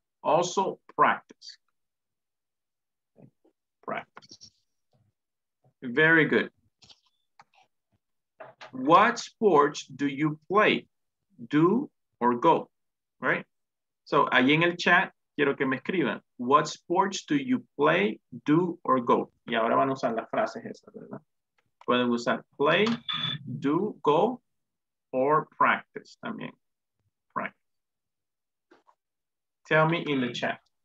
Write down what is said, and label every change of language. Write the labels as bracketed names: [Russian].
[English] Also, practice. Practice. Very good. What sports do you play? Do or go? Right? [Spanish] So, ahí en el chat, quiero que me escriban. [English] What sports do you play, do or go? [Spanish] Y ahora van a usar las frases esas, ¿verdad? Pueden usar play, do, go, or practice también. [English] Practice. Tell me in the chat.